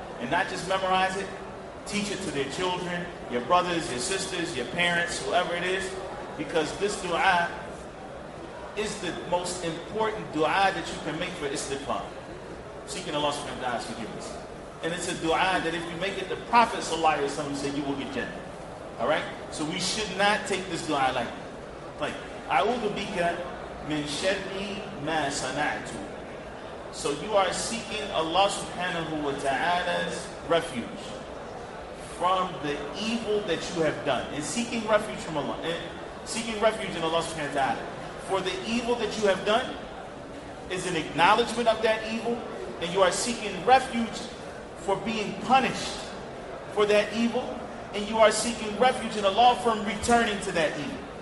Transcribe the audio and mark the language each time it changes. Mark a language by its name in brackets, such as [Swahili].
[English] And not just memorize it, teach it to their children, your brothers, your sisters, your parents, whoever it is, because this dua is the most important dua that you can make for istighfar, seeking Allah subhanahu wa ta'ala's forgiveness. And it's a dua that if you make it, the Prophet sallallahu alayhi wa sallam said, you will get Jannah. Alright? So we should not take this dua like that. [Arabic] Like, أعوذ بك من شر ما صنعت. [English] So you are seeking Allah subhanahu wa ta'ala's refuge from the evil that you have done, and seeking refuge from Allah, and seeking refuge in Allah subhanahu wa ta'ala for the evil that you have done is an acknowledgement of that evil, and you are seeking refuge for being punished for that evil, and you are seeking refuge in Allah from returning to that evil.